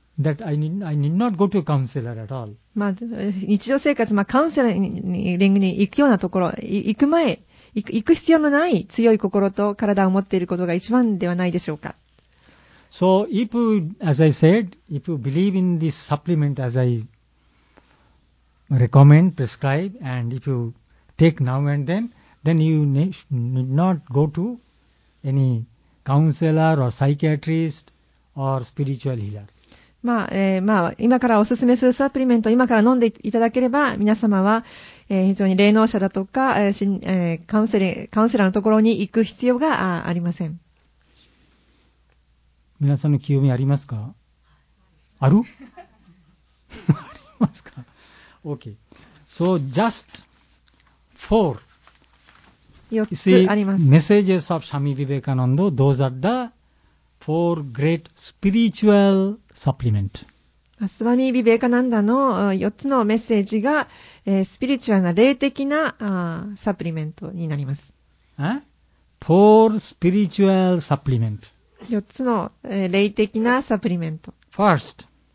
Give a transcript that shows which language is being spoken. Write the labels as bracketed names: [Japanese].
[English] That I need not go to a counselor at all. [Japanese] まあ日常生活、まあカウンセラリングに行くようなところ、行く前、行く必要のない強い心と体を持っていることが一番ではないでしょうか。 [English] So if, as I said, if you believe in this supplement as I recommend, prescribe, and if you take now and then you need not go to any counselor or psychiatrist or spiritual healer. [Japanese] まあまあ、今からおすすめするサプリメントを今から飲んでいただければ皆様は、非常に霊能者だとか、カウンセラーのところに行く必要がありません。皆さんの興味ありますか？ある？ありますか？ [English] OK So just four [Japanese] 4つあります。 [English] See, Messages of Swami Vivekananda Those are the four great spiritualSupplement. [Japanese] スワミー・ビベーカナンダの4つのメッセージが、スピリチュアルな霊的なサプリメントになります。 [English] Poor spiritual supplement. [Japanese] 4つの、霊的なサプリメント。 [English] First.